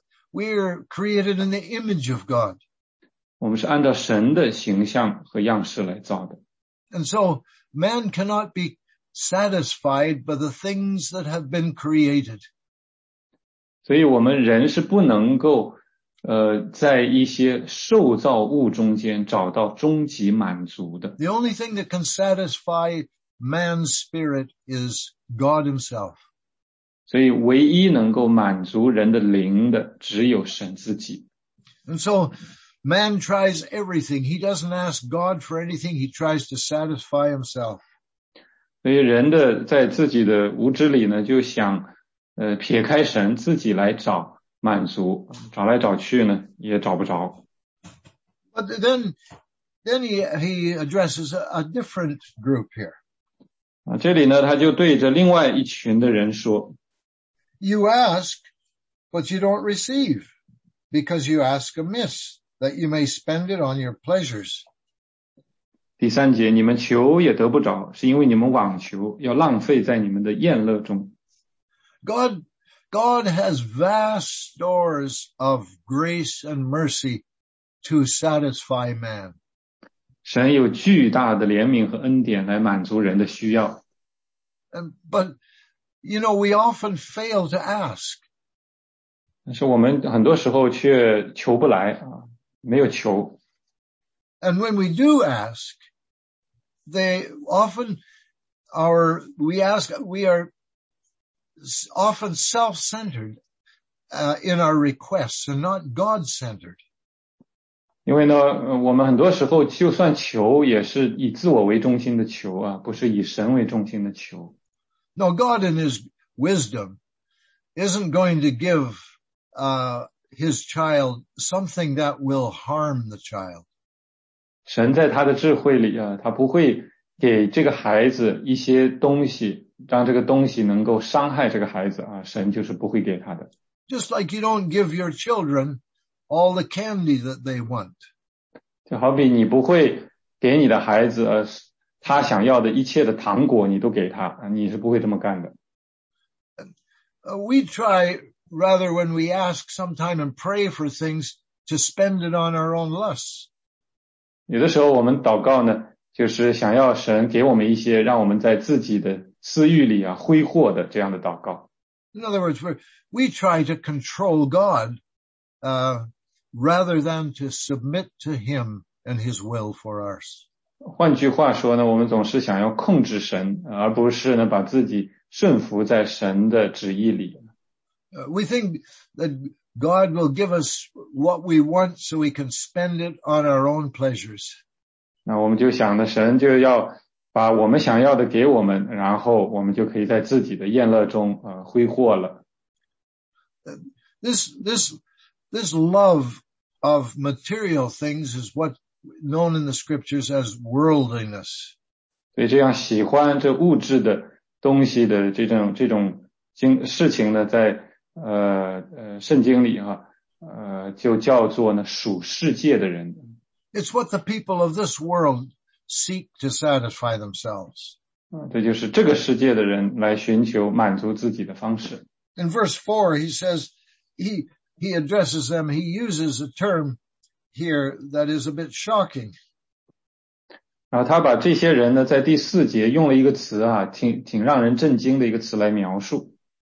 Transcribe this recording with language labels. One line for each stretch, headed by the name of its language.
English: We are created in the image of God.
Chinese: 我们是按照神的形象和样式来造的。
English: And so, man cannot be satisfied by the things that have been created.
Chinese: 所以我们人是不能够在一些受造物中间找到终极满足的。
English: The only thing that can satisfy man's spirit is God himself.
Chinese: 所以唯一能够满足人的灵的只有神自己。
English: And so, man tries everything. He doesn't ask God for anything. He tries to satisfy himself.
Chinese: 所以人的在自己的无知里呢就想撇开神自己来找。满足找来找去呢也找不着。
English: But then he addresses a different group here.
Chinese: 这里呢他就对着另外一群的人说。
English: You ask, but you don't receive, because you ask amiss, that you may spend it on your pleasures.
Chinese: 第三节你们求也得不着是因为你们妄求要浪费在你们的宴乐中。
English: God has vast stores of grace and mercy to satisfy man.
Chinese: 神有巨大的怜悯和恩典来满足人的需要。
English: But, you know, we often fail to ask.
Chinese: 但是我们很多时候却求不来，没有求。
English: And when we do ask, we are often self-centered in our requests and not God-centered.
Chinese: 因为呢我们很多时候就算求也是以自我为中心的求啊，不是以神为中心的求。
English: No, God in his wisdom isn't going to give his child something that will harm the child.
Chinese: 神在他的智慧里啊，他不会给这个孩子一些东西让这个东西能够伤害这个孩子啊，神就是不会给他的。
English: Just like you don't give your children all the candy that they want.
Chinese: 就好比你不会给你的孩子他想要的一切的糖果你都给他，你是不会这么干的。
English: We try rather when we ask sometime and pray for things to spend it on our own lusts.
Chinese: 有的时候我们祷告呢，就是想要神给我们一些让我们在自己的私欲里啊挥霍的这样的祷告。
English: In other words, we try to control God, rather than to submit to Him and His will for us.
Chinese: 换句话说呢，我们总是想要控制神，而不是呢把自己顺服在神的旨意里。
English: We think that God will give us what we want so we can spend it on our own pleasures.
Chinese: 那我们就想呢，神就要把我们想要的给我们，然后我们就可以在自己的宴乐中挥霍了。
English: This love of material things is what known in the scriptures as worldliness.
Chinese: 所以这样喜欢这物质的东西的这种事情呢，在圣经里啊，就叫做呢属世界的人。
English: It's what the people of this world seek to satisfy themselves.
Chinese: 这就是这个世界的人来寻求满足自己的方式。
English: In verse 4, he says, he addresses them, he uses a term here that is a bit shocking.
Chinese: 然后他把这些人呢在第四节用了一个词啊，挺让人震惊的一个词来描述。